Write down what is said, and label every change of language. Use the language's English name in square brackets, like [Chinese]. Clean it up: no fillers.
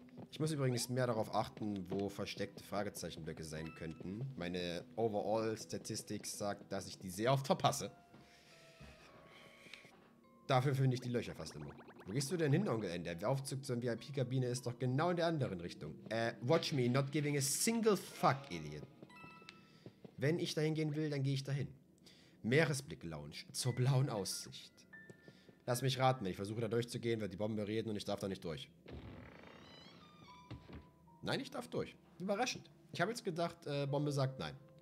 [German] Ich muss übrigens mehr darauf achten, wo versteckte Fragezeichenblöcke sein könnten. Meine Overall-Statistik sagt, dass ich die sehr oft verpasse. Dafür finde ich die Löcher fast immer. Wo gehst du denn hin, Onkel N? Der Aufzug zur VIP-Kabine ist doch genau in der anderen Richtung. [English] Watch me, not giving a single fuck, Idiot. [German] Wenn ich dahin gehen will, dann gehe ich dahin. Meeresblick-Lounge, zur blauen Aussicht. Lass mich raten, wenn ich versuche da durchzugehen, wird die Bombe reden und ich darf da nicht durch. Nein, ich darf durch. Überraschend. Ich habe jetzt gedacht, Bombe sagt nein.